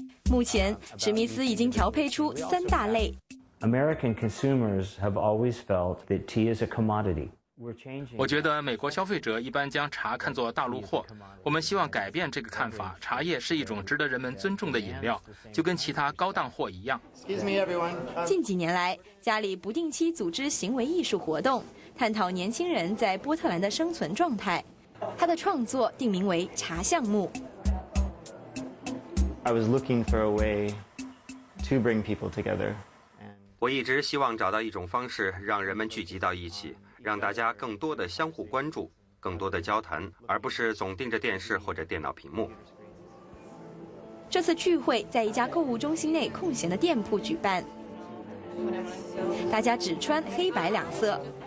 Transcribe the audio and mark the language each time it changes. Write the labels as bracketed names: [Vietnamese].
[Chinese] 目前，史密斯已经调配出三大类。 [English] American consumers have always felt that tea is a commodity. [Chinese] 我觉得美国消费者一般将茶看作大陆货，我们希望改变这个看法。茶叶是一种值得人们尊重的饮料，就跟其他高档货一样。近几年来，家里不定期组织行为艺术活动，探讨年轻人在波特兰的生存状态。他的创作定名为茶项目。 [English] I was looking for a way to bring people together. [Chinese] 我一直希望找到一种方式让人们聚集到一起，让大家更多的相互关注，更多的交谈，而不是总盯着电视或者电脑屏幕。这次聚会在一家购物中心内空闲的店铺举办，大家只穿黑白两色。